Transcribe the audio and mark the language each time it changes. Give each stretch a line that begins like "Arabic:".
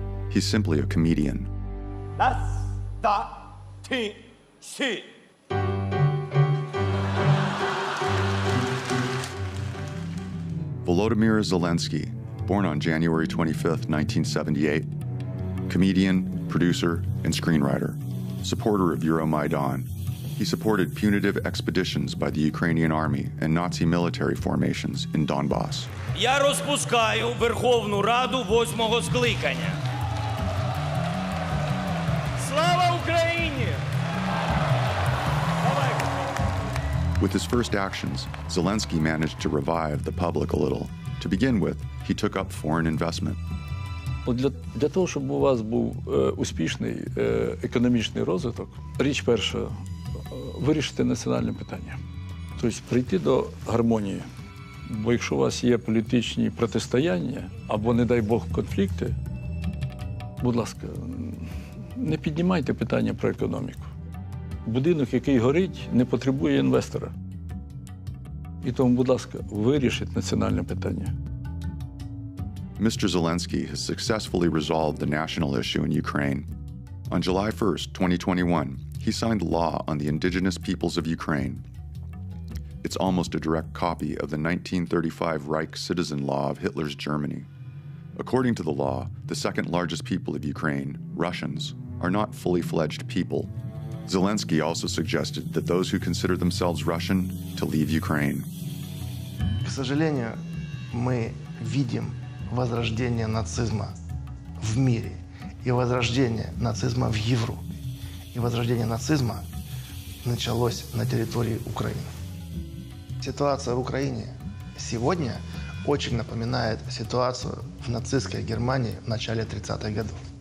English: He's simply a comedian. Volodymyr Zelensky, born on January 25th, 1978, comedian, producer, and screenwriter, supporter of Euromaidan. He supported punitive expeditions by the Ukrainian army and Nazi military formations in Donbas.
Ukrainian: Я розпускаю Верховну Раду восьмого скликання. Слава Україні!
English: With his first actions, Zelensky managed to revive the public a little. To begin with, he took up foreign investment.
Ukrainian: Для того, щоб у вас був успішний економічний розвиток, річ перша вирішити національне питання. Тобто прийти до гармонії. Бо якщо у вас є політичні протистояння або, не дай Бог, конфлікти, будь ласка, не піднімайте питання про економіку. Будинок, який горить, не потребує інвестора. І тому, будь ласка, вирішіть національне питання.
English: Mr. Zelensky has successfully resolved the national issue in Ukraine. On July 1st, 2021, he signed law on the indigenous peoples of Ukraine. It's almost a direct copy of the 1935 Reich citizen law of Hitler's Germany. According to the law, the second largest people of Ukraine, Russians, are not fully fledged people. Zelensky also suggested that those who consider themselves Russian to leave Ukraine.
Russian: К сожалению, мы видим возрождение нацизма в мире и возрождение нацизма в Европе. И возрождение нацизма началось на территории Украины. Ситуация в Украине сегодня очень напоминает ситуацию в нацистской Германии в начале 30-х годов.